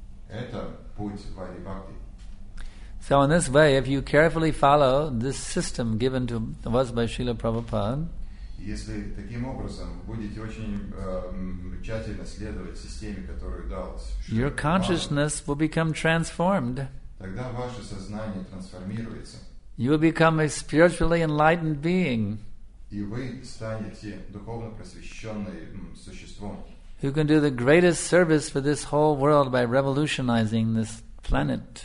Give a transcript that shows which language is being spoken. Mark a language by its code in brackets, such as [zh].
[ru] Это путь Vaidhi Bhakti. [en] So in this way, if you carefully follow this system given to us by Srila Prabhupada, [ru] если таким образом будете очень тщательно следовать системе, которую дал Шрила Прабхупада, [en] your consciousness will become transformed. [ru] Тогда ваше сознание трансформируется. [en] You will become a spiritually enlightened being. [ru] И вы станете духовно просвещенным существом. [en] Who can do the greatest service for this whole world by revolutionizing this planet.